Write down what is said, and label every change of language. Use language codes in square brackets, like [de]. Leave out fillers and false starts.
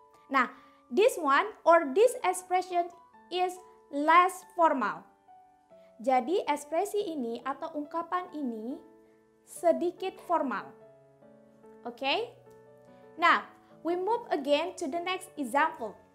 [en] Nah, this one or this expression is less formal. [id] Jadi ekspresi ini atau ungkapan ini sedikit formal. [en] Okay? Now, we move again to the next example.